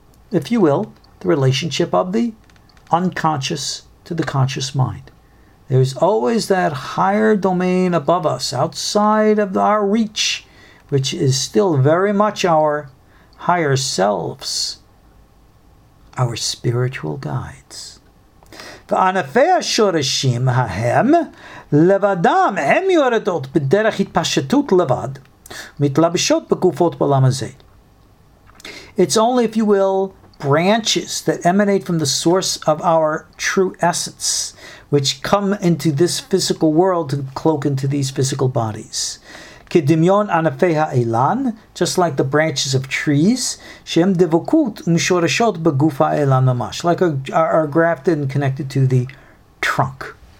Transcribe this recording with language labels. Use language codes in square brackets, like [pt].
[en] If you will, the relationship of the unconscious to the conscious mind. There's always that higher domain above us, outside of our reach, which is still very much our higher selves, our spiritual guides. [he] וענפי השורשים ההם לבדם הם יורדות בדרך התפשטות לבד מתלבשות בגופות בעולם הזה. [en] It's only, if you will, branches that emanate from the source of our true essence, which come into this physical world to cloak into these physical bodies. [he] כדמיון ענפי האילן, [en] just like the branches of trees, [he] שהם דבוקות ומשורשות בגוף האילן ממש, [en] like are grafted and connected to the trunk.